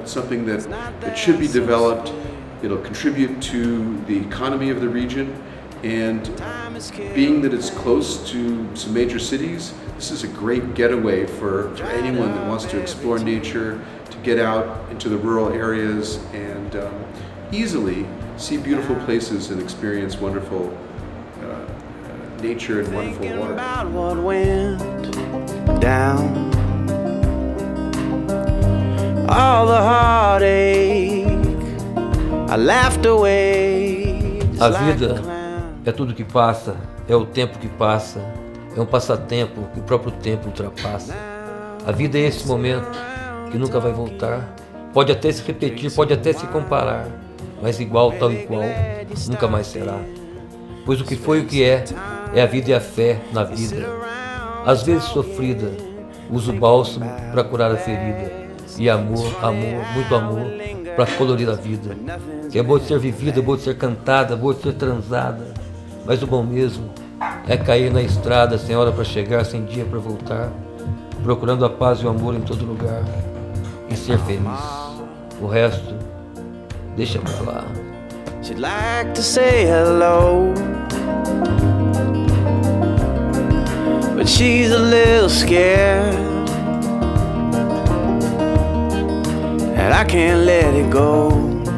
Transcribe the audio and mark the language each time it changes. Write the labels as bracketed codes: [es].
[en] It's something that should be developed. It'll contribute to the economy of the region, and being that it's close to some major cities, this is a great getaway for anyone that wants to explore nature, to get out into the rural areas and easily see beautiful places and experience wonderful nature and wonderful water. About what went down, all the heartache I laughed away. [pt] A vida é tudo que passa, é o tempo que passa, é um passatempo que o próprio tempo ultrapassa. A vida é esse momento que nunca vai voltar. Pode até se repetir, pode até se comparar, mas igual, tal e qual, nunca mais será. Pois o que foi e o que é, é a vida e a fé na vida. Às vezes sofrida, uso bálsamo para curar a ferida. E amor, amor, muito amor, para colorir a vida. Que é boa de ser vivida, boa de ser cantada, boa de ser transada. Mas o bom mesmo é cair na estrada, sem hora para chegar, sem dia para voltar, procurando a paz e o amor em todo lugar, e ser feliz. O resto, deixa pra lá. [en] She'd like to say hello, but she's a little scared, and I can't let it go.